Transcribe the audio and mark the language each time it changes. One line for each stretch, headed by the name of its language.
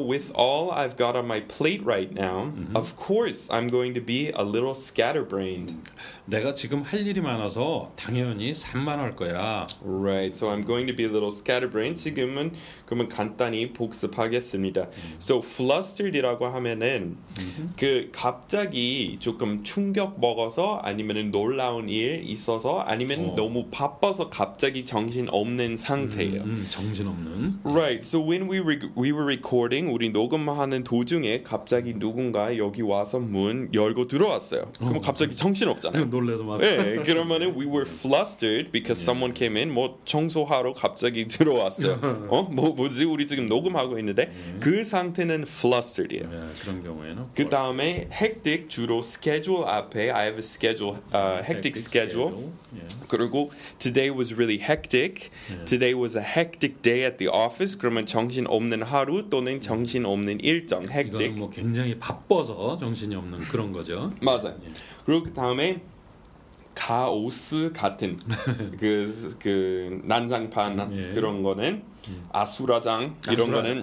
English: With all I've got on my plate right now, of course I'm going to be a little scatterbrained.
Korean: 내가 지금 할 일이 많아서 당연히 산만할 거야.
English: Right, so I'm going to be a little scatterbrained.
Korean: 지금은 그러면 간단히 복습하겠습니다. So flustered이라고 하면은 그 갑자기 조금 충격 먹어서 아니면은 놀라운 일 있어서 아니면 어. 너무 바빠서 갑자기 정신 없는 상태예요. 정신 없는. Right. So
English: when we were recording,
Korean: 우리 녹음하는 도중에 갑자기 누군가 여기 와서 문 열고 들어왔어요. 그럼 어. 갑자기 정신 없잖아요. 놀래서 막. 네. 그러면은
English: we were flustered because someone came in.
Korean: 뭐 청소하러 갑자기 들어왔어요. 어? 뭐지? 우리 지금 녹음하고 있는데 그 상태는 flustered이에요. 네, 그런 경우에는. 그 다음에 hectic 주로 schedule 앞에
English: I have a schedule. Hectic schedule. Yeah. 그리고 today was really hectic. Yeah. Today was a hectic day at the office.
Korean: 그러면 정신 없는 하루 또는 정신 없는 일정.
English: Hectic.
Korean: 이거는 뭐 굉장히 바빠서 정신이 없는 그런 거죠. 맞아. Yeah. 그리고 그 다음에 카오스 같은 그 난장판 그런 거는 아수라장 이런 거는